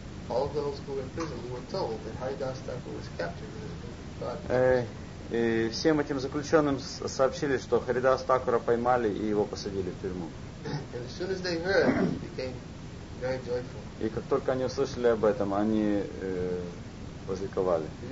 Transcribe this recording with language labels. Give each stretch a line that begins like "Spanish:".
English: All those who were in prison were told that Haridas Thakur was captured because he was brought to prison.
Russian: И всем этим заключенным сообщили, что Харидас Такура поймали и его посадили в тюрьму.
English: And as soon as they heard, they became
Russian: и как только они услышали об этом, они возликовали.